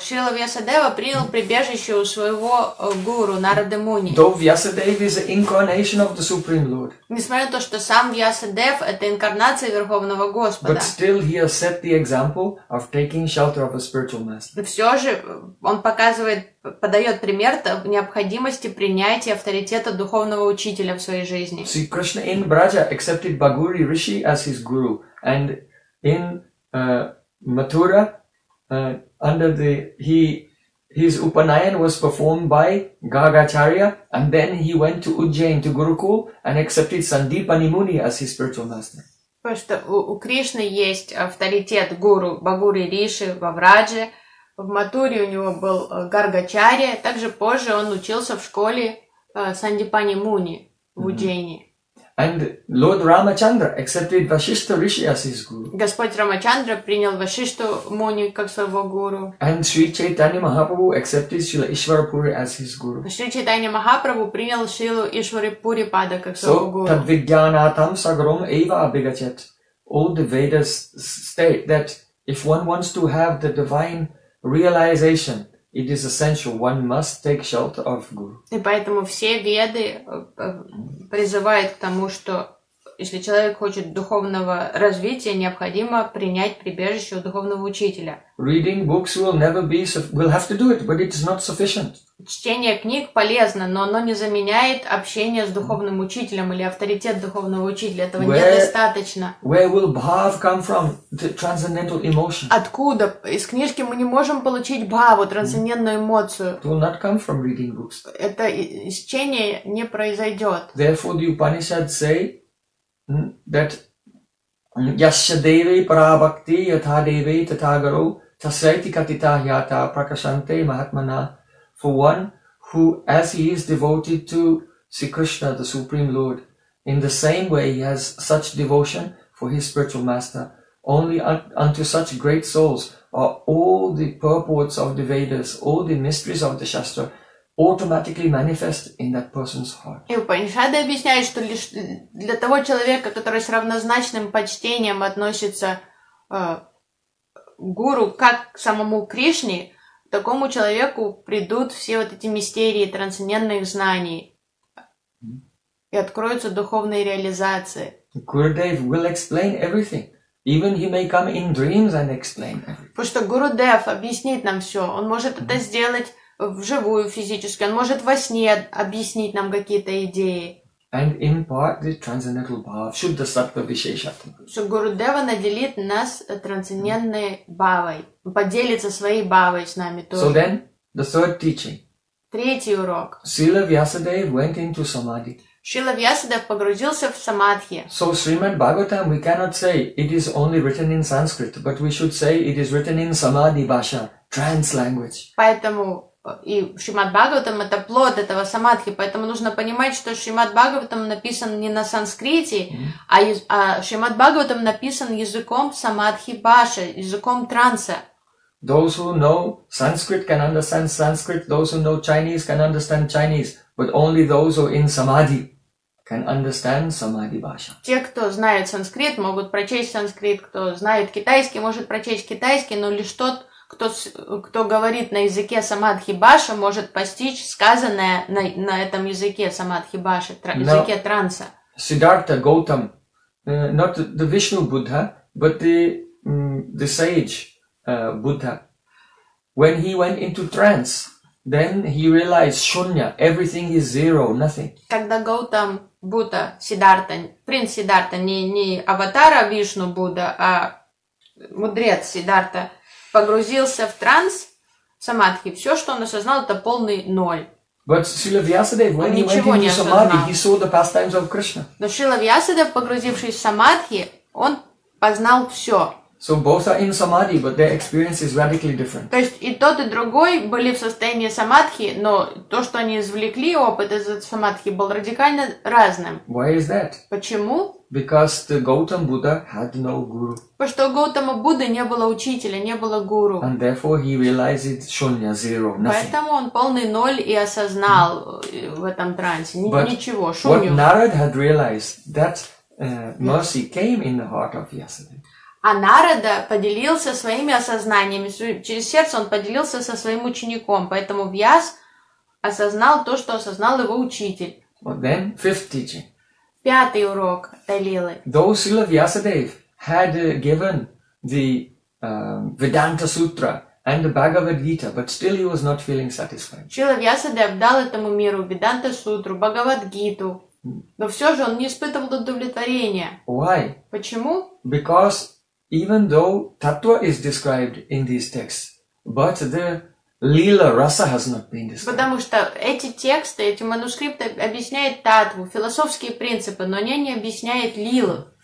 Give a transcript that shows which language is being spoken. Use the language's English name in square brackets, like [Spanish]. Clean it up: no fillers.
[Russian] Шрила Вьясадева принял прибежище у своего гуру Нарады Муни. [English] Though Vyasadeva is an incarnation of the Supreme Lord. [Russian] Несмотря на то, что сам Вьясадев это инкарнация Верховного Господа. [English] But still he has set the example of taking shelter of a spiritual master. [Russian] И все же он подает пример необходимости принятия авторитета духовного учителя в своей жизни. [English] See, Krishna in Braja accepted Bhaguri Rishi as his guru, and in Mathura, under the his Upanayan was performed by Gagacharya, and then he went to Ujjain to Gurukul and accepted Sandipani Muni as his spiritual master. [Russian] Потому что у Кришны есть авторитет гуру Багури Риши во Врадже. В Матуре у него был Гаргачария. Также позже он учился в школе Сандипани Муни в Уджайни. [English] And Lord Ramachandra accepted Vasishtha Rishi as his guru. [Russian] Господь Рамачандра принял Вашишту Муни как своего гуру. [English] And Sri Chaitanya Mahaprabhu accepted Srila Ishwarapuri as his guru. [Russian] Шри Чайтанья Махапрабху принял Шрилу Ишварапури Пада как своего гуру. [Sanskrit] So Tadvijñānātam Sagaram Eva Abhigacchat. [English] All the Vedas state that if one wants to have the divine realization, it is essential. One must take shelter of guru. [Russian] И поэтому все веды призывают к тому, что если человек хочет духовного развития, необходимо принять прибежище у духовного учителя. [English] Reading books will never be. We'll have to do it, but it is not sufficient. [Russian] Чтение книг полезно, но оно не заменяет общение с духовным учителем или авторитет духовного учителя. Этого недостаточно. [English] Where will bhav come from, the transcendental emotion? [Russian] Откуда? Из книжки мы не можем получить бхаву, трансцендентную эмоцию. [English] It will not come from reading books. [Russian] Это чтение не произойдет. [English] Therefore, the Upanishads say that [Sanskrit] yasya devi parabhakti yatha devi tathagaro tasaiti katita hyata prakashante mahatmana. [English] For one who, as he is devoted to Sri Krishna, the Supreme Lord, in the same way he has such devotion for his spiritual master, only unto such great souls are all the purports of the Vedas, all the mysteries of the Shastra, automatically manifest in that person's heart. [Russian] И Упанишады объясняют, что лишь для того человека, который с равнозначным почтением относится гуру, как к самому Кришне, такому человеку придут все вот эти мистерии трансцендентных знаний и откроются духовные реализации. [English] Gurudev will explain everything. Even he may come in dreams and explain everything. [Russian] Потому что Гурудев объяснит нам все. Он может это сделать вживую, физически. Он может во сне объяснить нам какие-то идеи. [English] And impart the transcendental bhava, [Sanskrit] shuddha sattva visheshatma. [Russian] Что Гурудева наделит нас трансцендентной бхавой, поделится своей бхавой с нами тоже. [English] So then, the third teaching. [Russian] Третий урок. [English] Srila Vyasadeva went into samadhi. [Russian] Srila Vyasadeva погрузился в самадхи. [English] So Srimad Bhagavatam, we cannot say it is only written in Sanskrit, but we should say it is written in samadhi bhasha, trance language. [Russian] Поэтому и Шримад Бхагаватам это плод этого самадхи, поэтому нужно понимать, что Шримад Бхагаватам написан не на санскрите, а Шримад Бхагаватам написан языком самадхи баши, языком транса. [English] Those who know Sanskrit can understand Sanskrit, those who know Chinese can understand Chinese, but only those who are in samadhi can understand samadhi bhasha. [Russian] Те, кто знает санскрит, могут прочесть санскрит, кто знает китайский, может прочесть китайский, но лишь тот, кто говорит на языке самадхи баша, может постичь сказанное на этом языке самадхи баша, языке транса. [English] Siddhartha Gautam, not the Vishnu Buddha, but the sage Buddha, when he went into trance, then he realized shunya, everything is zero, nothing. [Russian] Когда Гаутам Будда, Сиддхарта, принц Сиддхарта, не аватара Вишну Будда, а мудрец Сиддхарта, погрузился в транс самадхи, все, что он осознал, это полный ноль. Он ничего не осознал. Но Шрила Вьясадев, погрузившись в самадхи, он познал все. [English] So both are in samadhi, but their experience is radically different. [Russian] То есть и тот, и другой были в состоянии самадхи, но то, что они извлекли опыт из самадхи, был радикально разным. [English] Why is that? [Russian] Почему? [English] Because the Gautam Buddha had no guru. [Russian] Потому что у Гаутама Будды не было учителя, не было гуру. [English] And therefore he realized shunya, zero, nothing. [Russian] Поэтому он полный ноль и осознал в этом трансе. [English] But [Russian] ничего, шунью. [English] What Narad had realized, that mercy came in the heart of Vyasadeva. [Russian] А Нарада поделился своими осознаниями, через сердце он поделился со своим учеником, поэтому Вьяс осознал то, что осознал его учитель. [English] Well, then, fifth teaching. [Russian] Пятый урок Талилы. [English] Though Srila Vyasadeva had given the Vedanta Sutra and the Bhagavad Gita, but still he was not feeling satisfied. [Russian] Srila Vyasadeva дал этому миру Веданта Сутру, Бхагавад Гиту. Но все же он не испытывал удовлетворения. [English] Why? [Russian] Почему? [English] Because even though tattva is described in these texts, but the lila rasa has not been described. [Russian] Потому что эти тексты, эти манускрипты объясняют татву, философские принципы, но они не объясняют лилу,